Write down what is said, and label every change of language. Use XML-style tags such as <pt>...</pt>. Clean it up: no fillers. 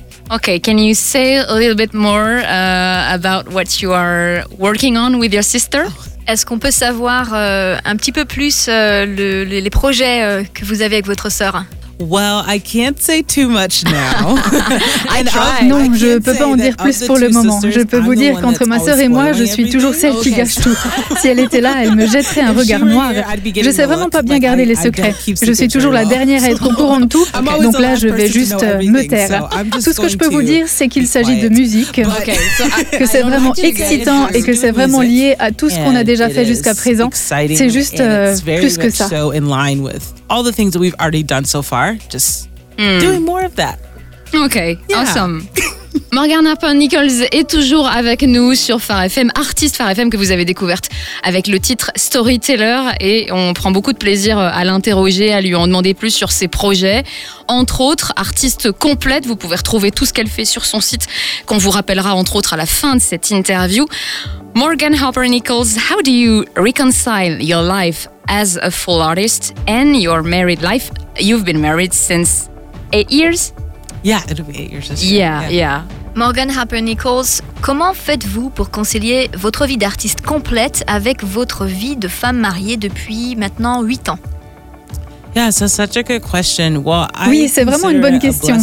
<en>Okay, can you say a little bit more about what you are working on with your sister?</en> <fr>Est-ce qu'on peut savoir un petit peu plus les projets que vous avez avec votre sœur?</fr> <en>Well, I can't say too much now.</en> <fr>Non, je ne peux pas en dire plus pour le moment. Je peux vous dire qu'entre ma sœur et moi, je suis toujours celle qui gâche tout. Si elle était là, elle me jetterait un regard noir. Je ne sais vraiment pas bien garder les secrets. Je suis toujours la dernière à être au courant de tout. Donc là, je vais juste me taire. Tout ce que je peux vous dire, c'est qu'il s'agit de musique, que c'est vraiment excitant et que c'est vraiment lié à tout ce qu'on a déjà fait jusqu'à présent. C'est juste plus que ça.</fr> <en>All the things that we've already done so far, just doing more of that. Okay, yeah. Awesome.</en> <fr>Morgana Pond-Nichols est toujours avec nous sur Phare FM, artiste Phare FM que vous avez découverte avec le titre Storyteller, et on prend beaucoup de plaisir à l'interroger, à lui en demander plus sur ses projets, entre autres artiste complète, vous pouvez retrouver tout ce qu'elle fait sur son site, qu'on vous rappellera entre autres à la fin de cette interview.</fr> <en>Morgan Harper-Nichols, how do you reconcile your life as a full artist and your married life? You've been married since 8 years? Yeah, it'll be 8 years this year. Yeah.</en> <fr>Morgan Harper-Nichols, comment faites-vous pour concilier votre vie d'artiste complète avec votre vie de femme mariée depuis maintenant 8 ans? Oui, c'est vraiment une bonne question.</fr>